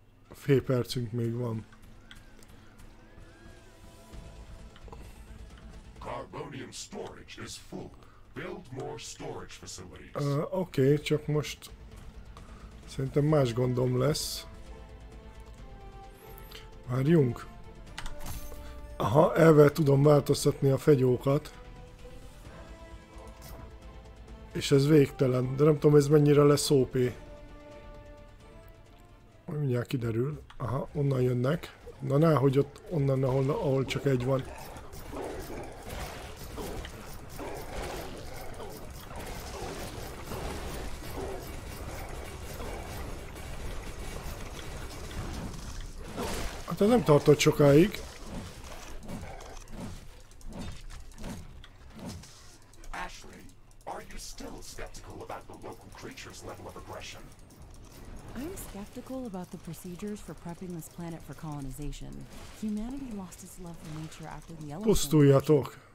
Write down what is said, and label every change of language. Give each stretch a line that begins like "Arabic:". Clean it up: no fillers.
Hungarian: Fél percünk még van.
English: Carbonium storage is full. Build more storage facilities.
Hungarian: Oké, csak most szerintem más gondom lesz. Várjunk. Aha, ezzel tudom változtatni a fegyókat. És ez végtelen, de nem tudom, ez mennyire lesz OP. Mindjárt kiderül. Aha, onnan jönnek. Na ne, hogy ott onnan, ahol csak egy van. A Hát ez nem tartott sokáig.
English: Ashley, are you still skeptical about the local creature's level of aggression? I'm skeptical about the procedures for prepping this planet for colonization. Humanity lost its love for nature after the elephant.
Hungarian: Pusztuljatok!